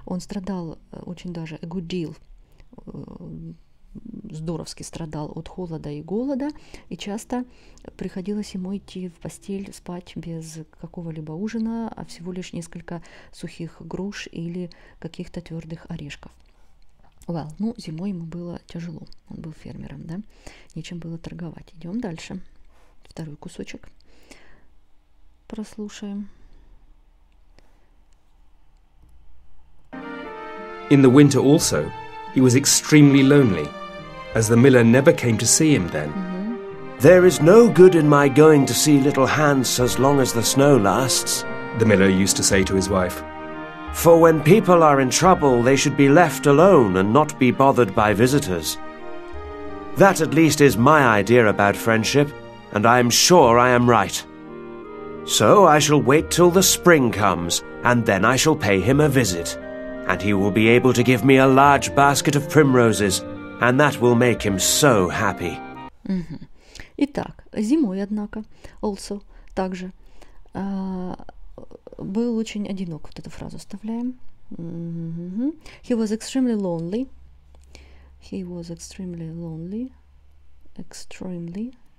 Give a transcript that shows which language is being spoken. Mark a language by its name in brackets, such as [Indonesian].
[Russian] Он страдал очень даже, [English] a good deal, [Russian] здоровски страдал от холода и голода, и часто приходилось ему идти в постель спать без какого-либо ужина, а всего лишь несколько сухих груш или каких-то твердых орешков. Well, ну, зимой ему было тяжело, он был фермером, да, нечем было торговать. Идем дальше, второй кусочек прослушаем. [English] In the winter also, he was extremely lonely, as the miller never came to see him then. There is no good in my going to see little Hans as long as the snow lasts, the miller used to say to his wife. For when people are in trouble, they should be left alone and not be bothered by visitors. That at least is my idea about friendship, and I am sure I am right. So I shall wait till the spring comes, and then I shall pay him a visit. And he will be able to give me a large basket of primroses, and that will make him so happy. [Russian] Итак, зимой, однако, also, также, был очень одинок. Вот эту фразу вставляем. [English] He was extremely lonely. He was extremely lonely. Extremely.